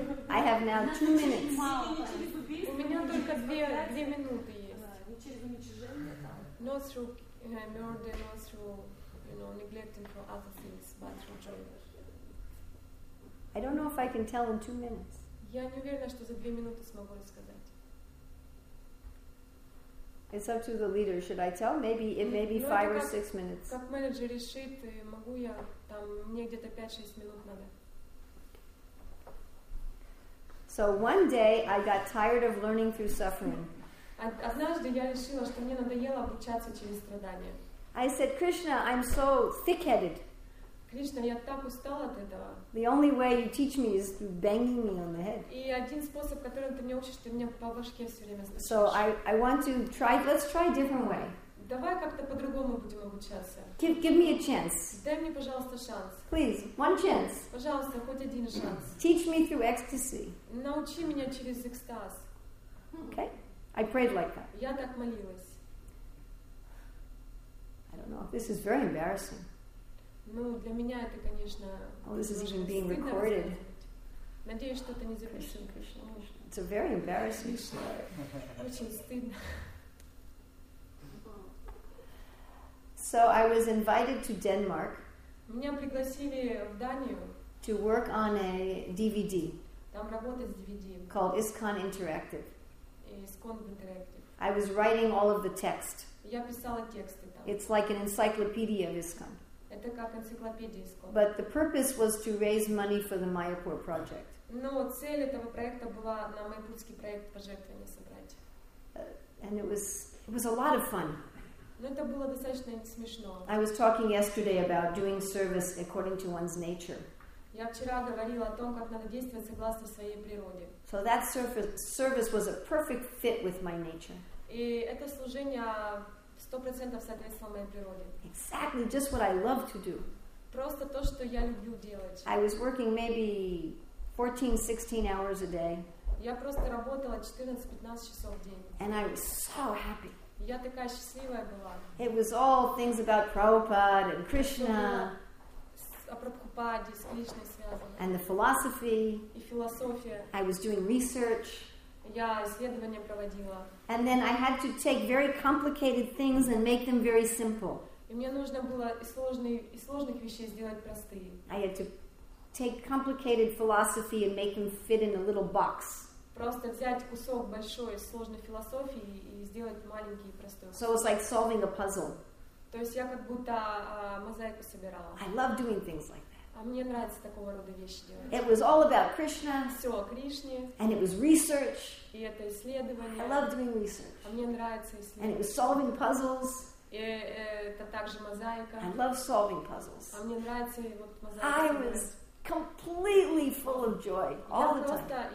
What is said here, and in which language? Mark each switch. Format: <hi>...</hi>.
<en>I have now 2 minutes.</en> <ru>У меня только две минуты есть.</ru> <en>Not through murder, not through neglecting for other things, but through joy. I don't know if I can tell in 2 minutes.</en> <ru>Я не уверена, что за две минуты смогу рассказать.</ru> <en>It's up to the leader. Should I tell? Maybe it may be 5 or 6 minutes.</en> <ru>Как менеджер решит, могу я там мне где-то 5-6 минут надо.</ru> <en>So one day I got tired of learning through suffering.</en> <ru>Однажды я решила, что мне надоело обучаться через страдания.</ru> <en>I said, Krishna, I'm so thick-headed.</en> <ru>Кришна, я так устала от этого.</ru> <en>The only way you teach me is through banging me on the head.</en> <ru>И один способ, которым ты меня учишь, ты меня по башке все время стучишь.</ru> <en>So I want to try. Let's try a different way.</en> <ru>Давай как-то по-другому будем обучаться.</ru> <en>Give me a chance.</en> <ru>Дай мне, пожалуйста, шанс.</ru> <en>Please, one chance.</en> <ru>Пожалуйста, хоть один шанс.</ru> <en>Teach me through ecstasy.</en> <ru>Научи меня через экстаз.</ru> <en>Okay, I prayed like that.</en> <ru>Я так молилась.</ru> <en>I don't know. This is very embarrassing.</en> <ru>Ну, для меня это, конечно,</ru> <en>oh, this is even being recorded.</en> <ru>Надеюсь, что это не записано.</ru> <en>Krishna, Krishna, Krishna. It's a very embarrassing story.</en> <ru>Очень стыдно.</ru> <en>So I was invited to Denmark.</en> <ru>Меня пригласили в Данию.</ru> <en>To work on a DVD.</en> <ru>Там работать с DVD.</ru> <en>Called ISKCON Interactive.</en> <ru>ISKCON Interactive.</ru> <en>I was writing all of the text.</en> <ru>Я писала тексты там.</ru> <en>It's like an encyclopedia of ISKCON.</en> <ru>Это как энциклопедия ISKCON.</ru> <en>But the purpose was to raise money for the Mayapur project.</en> <ru>Но цель этого проекта была на майпурский проект пожертвования собрать.</ru> <en>And it was a lot of fun.</en> <ru>Но это было достаточно смешно.</ru> <en>I was talking yesterday about doing service according to one's nature.</en> <ru>Я вчера говорила о том, как надо действовать согласно своей природе.</ru> <en>So that service was a perfect fit with my nature.</en> <ru>И это служение 100% соответствовало моей природе.</ru> <en>Exactly just what I love to do.</en> <ru>Просто то, что я люблю делать.</ru> <en>I was working maybe 14-16 hours a day.</en> <ru>Я просто работала 14-15 часов в день.</ru> <en>And I was so happy.</en> <ru>Я такая счастливая была.</ru> <en>It was all things about Prabhupada and Krishna.</en> <ru>О Прабхупаде с Кришной связано.</ru> <en>And the philosophy.</en> <ru>И философия.</ru> <en>I was doing research.</en> <ru>Я исследования проводила.</ru> <en>And then I had to take very complicated things and make them very simple.</en> <ru>И мне нужно было из сложных вещей сделать простые.</ru> <en>I had to take complicated philosophy and make them fit in a little box.</en> <ru>Просто взять кусок большой сложной философии и сделать маленький и простой.</ru> <en>So it was like solving a puzzle.</en> <ru>То есть я как будто мозаику собирала.</ru> <en>I love doing things like that.</en> <ru>А мне нравится такого рода вещи делать.</ru> <en>It was all about Krishna.</en> <ru>Все о Кришне.</ru> <en>And it was research.</en> <ru>И это исследование.</ru> <en>I love doing research.</en> <ru>А мне нравится исследование.</ru> <en>And it was solving puzzles.</en> <ru>И это также мозаика.</ru> <en>I love solving puzzles.</en> <ru>А мне нравится вот мозаика.</ru> <en>I was completely full of joy all the time.</en>